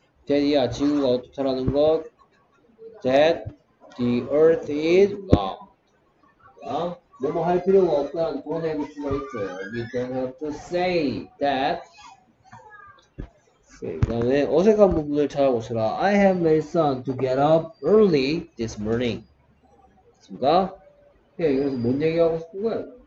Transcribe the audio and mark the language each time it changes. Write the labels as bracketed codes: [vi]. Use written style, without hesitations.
[en] that, [ko] 야, 지구가 어떻다라는 것, [en] that the earth is long. [ko] 뭐뭐 할 필요가 없다는 돈의 구조가 있죠. [en] We don't have to say that. [ko] 그 다음에 어색한 부분을 찾아보시라. [en] I have my son to get up early this morning. [ko] 됐습니까? 네, 여기서 뭔 얘기하고 싶은 거야?